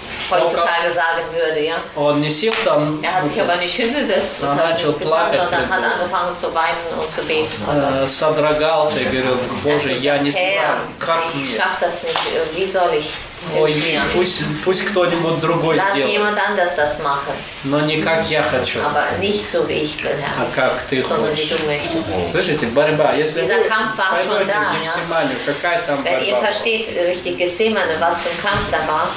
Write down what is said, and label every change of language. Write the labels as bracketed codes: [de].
[de] Heutzutage sagen würde, ja. [ru] Там, [de] er hat sich aber nicht hingesetzt, und nichts geplant, sondern hat angefangen zu weinen und zu beten. [ru] Содрогался, говорил, Боже, я не знаю, [de] ich schaff das nicht, wie soll ich? [ru] Ой, пусть кто-нибудь другой сделает. Но не как я хочу. А как ты хочешь. Слышите, борьба. Если вы понимаете, какая там борьба.